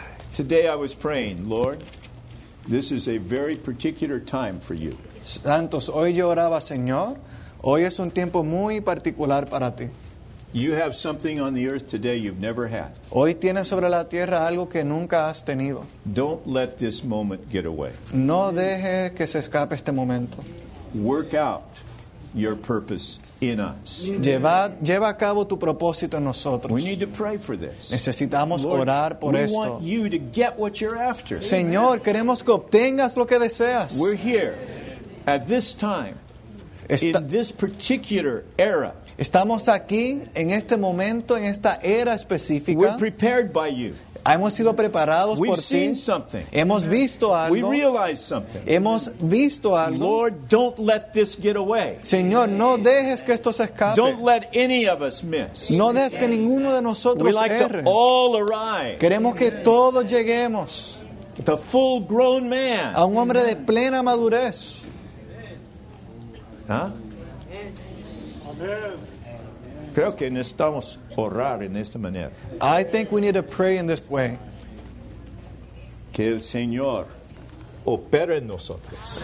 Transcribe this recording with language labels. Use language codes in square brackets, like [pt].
[en] Today I was praying, Lord. This is a very particular time for you. [es] Santos, hoy yo oraba, Señor. Hoy es un tiempo muy particular para ti. [en] You have something on the earth today you've never had. [es] Hoy tienes sobre la tierra algo que nunca has tenido. [en] Don't let this moment get away. [es] No deje que se escape este momento. [en] Work out your purpose in us. [es] Lleva a cabo tu propósito en nosotros. [en] We need to pray for this. [es] Necesitamos orar por esto. [en] We want you to get what you're after. [es] Señor, queremos que obtengas lo que deseas. [en] We're here at this time in this particular era. [es] Estamos aquí en este momento, en esta era específica. [en] We're prepared by you. [es] Hemos sido preparados [en] We've [es] por ti. [en] We've seen something. [es] Hemos visto algo. [en] We realize something. [es] Hemos visto algo. [en] Lord, don't let this get away. [es] Señor, no dejes que esto se escape. [en] Don't let any of us miss. [es] No dejes que ninguno de nosotros erre. [en] We like to all arrive. [es] Queremos que todos lleguemos. [en] The full grown man. [es] A un hombre de plena madurez. ¿Ah? Amén. Creo que necesitamos orar en esta manera. [en] I think we need to pray in this way. [es] Que el Señor opere en nosotros.